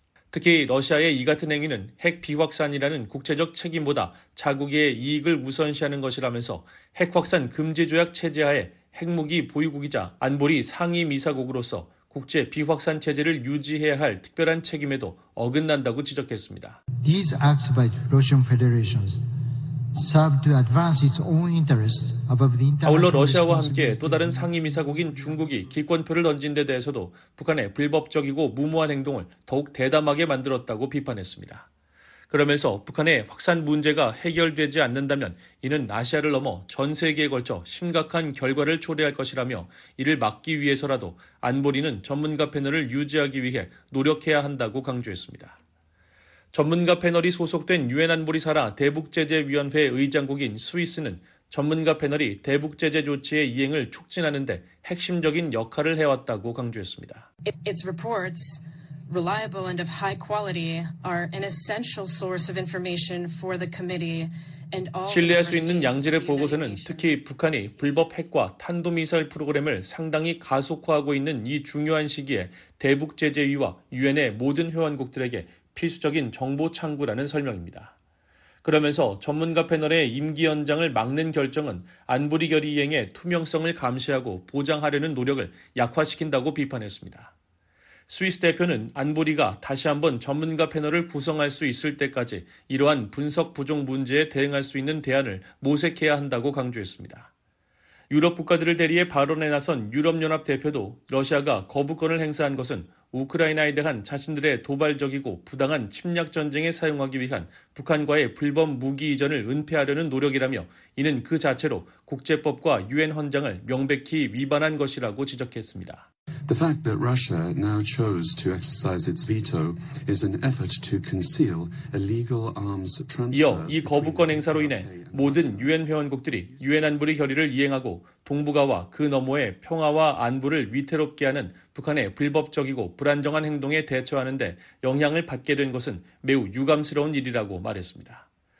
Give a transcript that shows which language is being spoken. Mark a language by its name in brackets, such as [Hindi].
[Korean] 특히 러시아의 이 같은 행위는 핵 비확산이라는 국제적 책임보다 자국의 이익을 우선시하는 것이라면서 핵확산 금지조약 체제하에 핵무기 보유국이자 안보리 상임이사국으로서 국제 비확산 체제를 유지해야 할 특별한 책임에도 어긋난다고 지적했습니다. [English] These acts by Russian Federation serve to advance its own interests above the international. [Korean] 아울러 러시아와 함께 또 다른 상임이사국인 중국이 기권표를 던진 데 대해서도 북한의 불법적이고 무모한 행동을 더욱 대담하게 만들었다고 비판했습니다. 그러면서 북한의 확산 문제가 해결되지 않는다면 이는 아시아를 넘어 전 세계에 걸쳐 심각한 결과를 초래할 것이라며 이를 막기 위해서라도 안보리는 전문가 패널을 유지하기 위해 노력해야 한다고 강조했습니다. 전문가 패널이 소속된 유엔 안보리 산하 대북제재위원회 의장국인 스위스는 전문가 패널이 대북제재 조치의 이행을 촉진하는 데 핵심적인 역할을 해왔다고 강조했습니다. [English] Its reports reliable and of high quality are an essential source of information for the committee and all. [Korean] 신뢰할 수 있는 양질의 보고서는 특히 북한이 불법 핵과 탄도미사일 프로그램을 상당히 가속화하고 있는 이 중요한 시기에 대북 제재위와 유엔의 모든 회원국들에게 필수적인 정보 창구라는 설명입니다. 그러면서 전문가 패널의 임기 연장을 막는 결정은 안보리 결의 이행의 투명성을 감시하고 보장하려는 노력을 약화시킨다고 비판했습니다. 스위스 대표는 안보리가 다시 한번 전문가 패널을 구성할 수 있을 때까지 이러한 분석 부족 문제에 대응할 수 있는 대안을 모색해야 한다고 강조했습니다. 유럽 국가들을 대리해 발언에 나선 유럽연합 대표도 러시아가 거부권을 행사한 것은 우크라이나에 대한 자신들의 도발적이고 부당한 침략 전쟁에 사용하기 위한 북한과의 불법 무기 이전을 은폐하려는 노력이라며 이는 그 자체로 국제법과 유엔 헌장을 명백히 위반한 것이라고 지적했습니다. [English] The fact that Russia now chose to exercise its veto is an effort to conceal illegal arms transfers. [Korean] 이어 이 거부권 행사로 인해 모든 유엔 회원국들이 유엔 안보리 결의를 이행하고 동북아와 그 너머의 평화와 안보를 위태롭게 하는 북한의 불법적이고 불안정한 행동에 대처하는 데 영향을 받게 된 것은 매우 유감스러운 일이라고 말했습니다.